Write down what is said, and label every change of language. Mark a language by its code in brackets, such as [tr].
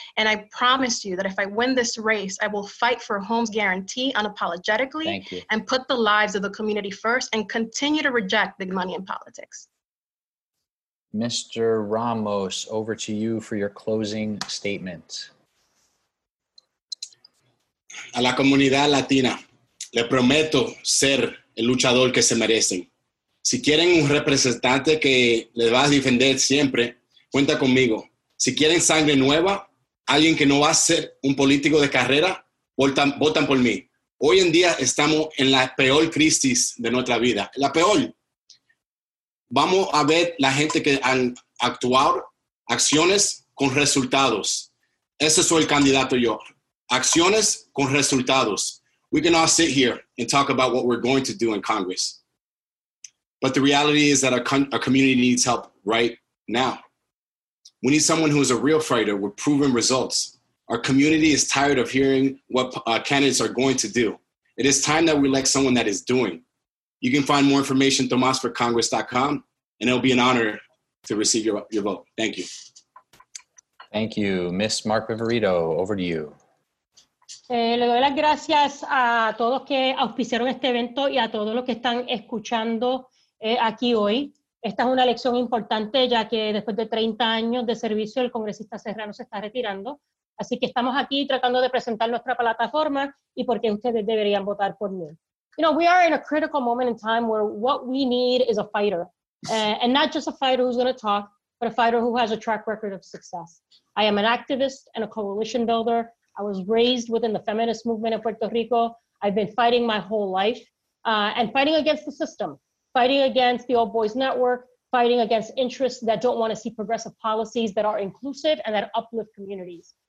[en] And I promise you that if I win this race, I will fight for a homes guarantee unapologetically and put the lives of the community first and continue to reject big money in politics. Mr. Ramos, over to you for your closing statement. [es] A la comunidad latina, le prometo ser el luchador que se merecen. Si quieren un representante que les va a defender siempre, cuenta conmigo. Si quieren sangre nueva, alguien que no va a ser un político de carrera, votan por mí. Hoy en día estamos en la peor crisis de nuestra vida. La peor. Vamos a ver la gente que han actuado, acciones con resultados. Ese soy el candidato yo. Acciones con resultados. [en] We can all sit here and talk about what we're going to do in Congress. But the reality is that our community needs help right now. We need someone who is a real fighter with proven results. Our community is tired of hearing what candidates are going to do. It is time that we elect someone that is doing. You can find more information at tomasforcongress.com, and it'll be an honor to receive your vote. Thank you. Thank you. Ms. Mark Viverito, over to you. [es] Le doy las gracias a todos que auspiciaron este evento y a todos los que están escuchando aquí hoy. Esta es una elección importante, ya que después de 30 años de servicio, el congresista Serrano se está retirando. Así que estamos aquí tratando de presentar nuestra plataforma y por qué ustedes deberían votar por mí. [en] You know, we are in a critical moment in time where what we need is a fighter. And not just a fighter who's going to talk, but a fighter who has a track record of success. I am an activist and a coalition builder. I was raised within the feminist movement in Puerto Rico. I've been fighting my whole life and fighting against the system, fighting against the old boys network, fighting against interests that don't want to see progressive policies that are inclusive and that uplift communities.